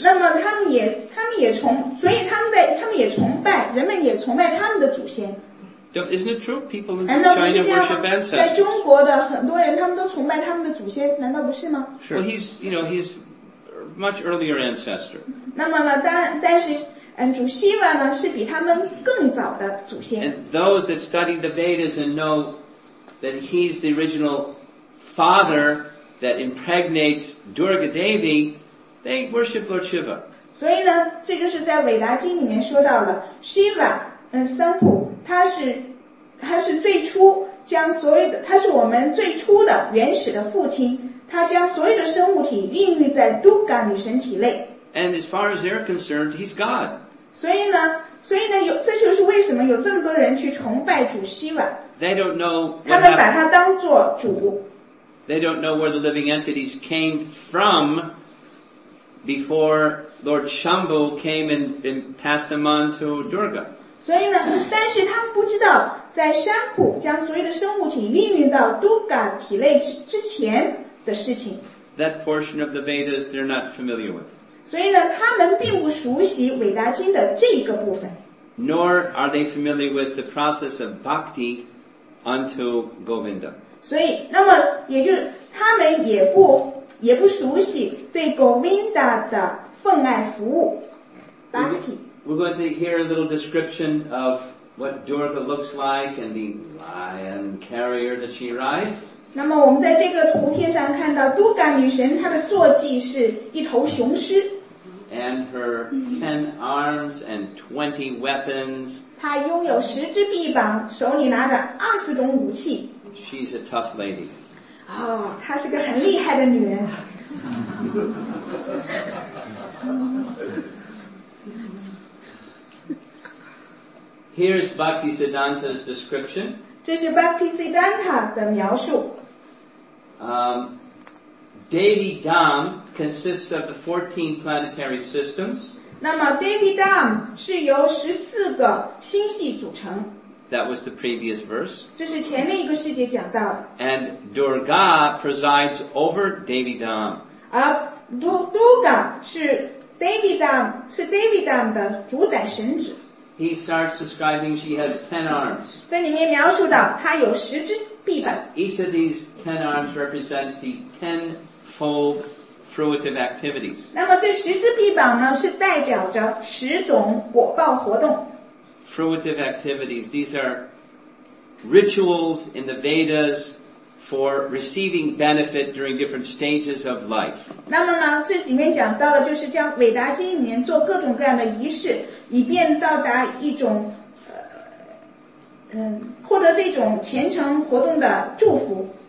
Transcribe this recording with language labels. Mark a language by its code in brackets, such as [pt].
[zh] 那么他们也崇拜，人们也崇拜他们的祖先。 [en] Isn't it true? People in China worship ancestors. [zh] 在中国的很多人，他们都崇拜他们的祖先，难道不是吗？ [en] Sure. Well, he's much earlier ancestor. [zh] 那么呢，但是，主希瓦呢是比他们更早的祖先。 [en] And those that study the Vedas and know that he's the original father. That impregnates Durga Devi, they worship Lord Shiva. [zh] 所以呢，这就是在《伟达经》里面说到了 Shiva， 三浦，他是最初将所有的，他是我们最初的原始的父亲，他将所有的生物体孕育在 Durga 女神体内。 [en] And as far as they're concerned, he's God. [zh] 所以呢，有这就是为什么有这么多人去崇拜主 Shiva。 [en] They don't know. [zh] 他们把他当做主。 [en] They don't know where the living entities came from before Lord Shambhu came and passed them on to Durga. [zh] 所以呢，但是他们不知道，在山浦将所有的生物体孕育到 Durga 体内之前的事情。 [en] That portion of the Vedas they're not familiar with. [zh] 所以呢，他们并不熟悉《伟达经》的这个部分。 [en] Nor are they familiar with the process of bhakti unto Govinda. [zh] 所以，那么也就是他们也不熟悉对 Govinda 的奉爱服务 ，bhakti。 [en] We're going to hear a little description of what Durga looks like and the lion carrier that she rides. [zh] 那么我们在这个图片上看到 Durga 女神她的坐骑是一头雄狮。 [en] And her 10 arms and 20 weapons. [zh] 她拥有十只臂膀，手里拿着二十种武器。 [en] She's a tough lady. [zh] Oh, 她是个很厉害的女人。 [en] Here's Bhaktisiddhanta's description. [zh] 这是 Bhaktisiddhanta 的描述。 [en] Devi Dham consists of the 14 planetary systems. [zh] 那么 Devi Dham 是由十四个星系组成。 [en] That was the previous verse. [zh] 这是前面一个世界讲到。 [en] And Durga presides over Devi Dham. [zh] 而 Durga 是 Devi Dham 的主宰神职。 [en] He starts describing she has 10 arms. [zh] 在里面描述到她有十只臂膀。 [en] Each of these 10 arms represents the 10-fold fruitive activities. [zh] 那么这十只臂膀呢，是代表着十种果报活动。 [en] Fruitive activities. These are rituals in the Vedas for receiving benefit during different stages of life. [zh] 那么呢，这里面讲到了，就是将《伟达经》里面做各种各样的仪式，以便到达一种获得这种虔诚活动的祝福。